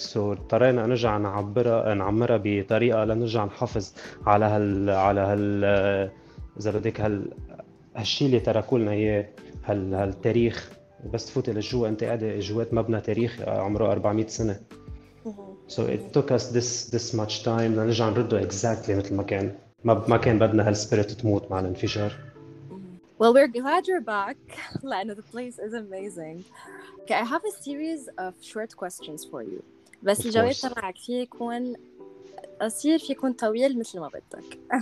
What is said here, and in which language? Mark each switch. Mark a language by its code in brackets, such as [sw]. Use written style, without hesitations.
[ar] So اضطرينا نرجع نعمرها بطريقة لنرجع نحافظ على إذا بدك هالشيء اللي تركوا لنا إياه هالتاريخ. بس تفوتي لجوا أنت قاعدة جوات مبنى تاريخي عمره 400 سنة. [en] So it took us this much time [ar] لنرجع نرده [en] exactly [ar] مثل ما كان. ما كان بدنا هالسبيريت تموت مع الانفجار. [en] Well, we're glad you're back. Lana, the place is amazing. Okay, I have a series of short questions for you. [ar] بس جاوبت معك في يكون أصير في يكون طويل مثل ما بدك.